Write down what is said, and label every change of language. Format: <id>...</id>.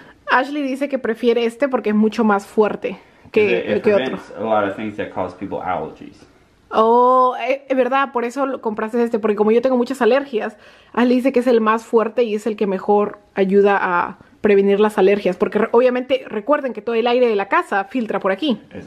<es>Ashley dice que prefiere este porque es mucho más fuerte que otro.</es> <en>A lot of things that cause people allergies.</en> <es>Oh, es verdad, por eso compraste este, porque como yo tengo muchas alergias, Ashley dice que es el más fuerte y es el que mejor ayuda a prevenir las alergias, porque obviamente recuerden que todo el aire de la casa filtra por aquí.</es>